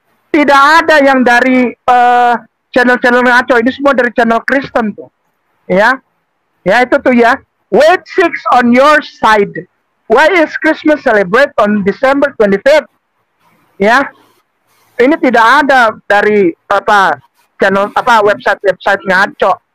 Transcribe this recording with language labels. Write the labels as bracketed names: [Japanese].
[Indonesian] Tidak ada yang dari channel-channel ngaco, ini semua dari channel Kristen tuh. Ya. Ya itu tuh ya. [English] Wait six on your side. Why is Christmas celebrate on December 25th? [Indonesian] Ya, ini tidak ada dari apa channel apa website ngaco.